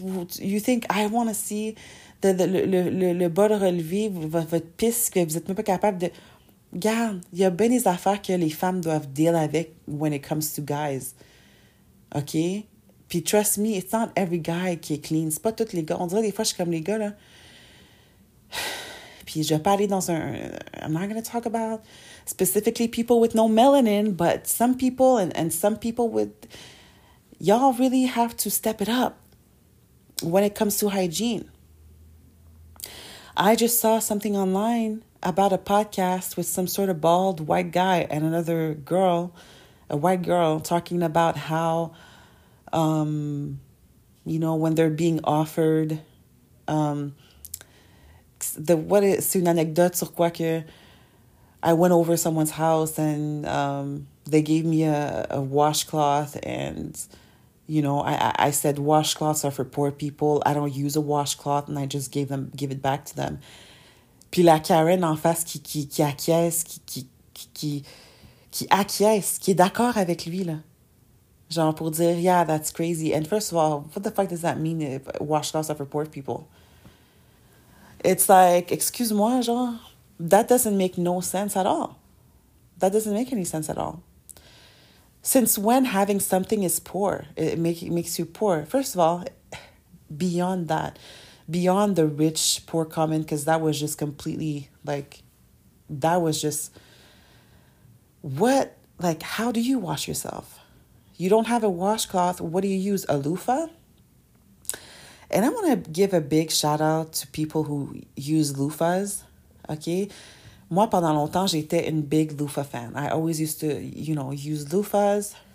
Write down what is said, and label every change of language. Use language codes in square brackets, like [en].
[en] You think I want to see [fr] le bas de relevé, votre pisse, que vous êtes même pas capable de... Regarde, il y a bien des affaires que les femmes doivent deal avec [en] when it comes to guys. [fr] OK? [en] Puis trust me, it's not every guy [fr] qui est [en] clean. [fr] C'est pas tous les gars. On dirait des fois, je suis comme les gars, là. Puis je vais pas aller dans un... [en] I'm not going to talk about specifically people with no melanin, but some people and some people with... Y'all really have to step it up when it comes to hygiene. I just saw something online about a podcast with some sort of bald white guy and another girl, a white girl, talking about how, you know, when they're being offered... [fr] c'est une anecdote sur quoi que [en] I went over someone's house and they gave me a washcloth and, you know, I said washcloths are for poor people. I don't use a washcloth and I just give it back to them. [fr] Puis la Karen en face qui acquiesce, qui est d'accord avec lui, là. Genre pour dire, [en] yeah, that's crazy. And first of all, what the fuck does that mean if washcloths are for poor people? It's like, [fr] excuse-moi, genre, [en] that doesn't make no sense at all. That doesn't make any sense at all. Since when having something is poor? It makes you poor. First of all, beyond that, beyond the rich poor comment, because that was just completely like, that was just what, like, how do you wash yourself? You don't have a washcloth. What do you use? A loofah? And I want to give a big shout out to people who use loofahs. Okay. [fr] Moi, pendant longtemps, j'étais une [en] big loofah fan. I always used to, you know, use loofahs.